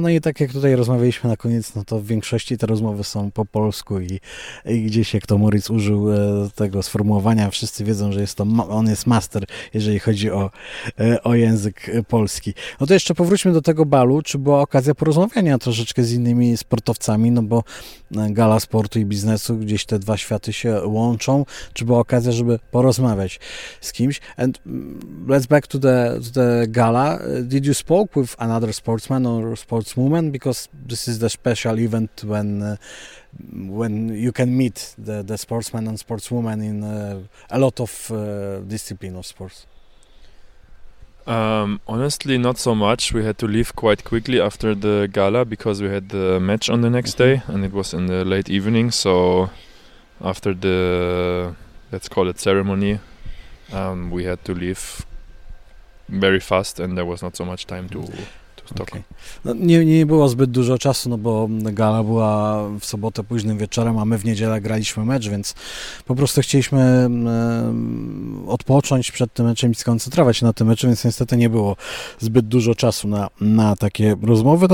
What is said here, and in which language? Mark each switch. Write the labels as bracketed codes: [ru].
[pl] No i tak jak tutaj rozmawialiśmy na koniec, no to w większości te rozmowy są po polsku i gdzieś, jak to Moritz użył tego sformułowania, wszyscy wiedzą, że on jest master, jeżeli chodzi o język polski. No to jeszcze powróćmy do tego balu. Czy była okazja porozmawiania troszeczkę z innymi sportowcami? No bo gala sportu i biznesu, gdzieś te dwa światy się łączą. Czy była okazja, żeby porozmawiać z kimś? [en] And let's back to the gala. Did you spoke with another sportsman or sportswoman? Because this is the special event when you can meet the sportsman and sportswoman in a lot of discipline of sports. Honestly, not so much. We had to leave quite quickly after the gala because we had the match on the next day and it was in the late evening. So after the, let's call it ceremony, we had to leave very fast and there was not so much time to talk. Okay. [pl] No, nie było zbyt dużo czasu, no bo gala była w sobotę późnym wieczorem, a my w niedzielę graliśmy mecz, więc po prostu chcieliśmy odpocząć przed tym meczem i skoncentrować się na tym meczu, więc niestety nie było zbyt dużo czasu na takie rozmowy.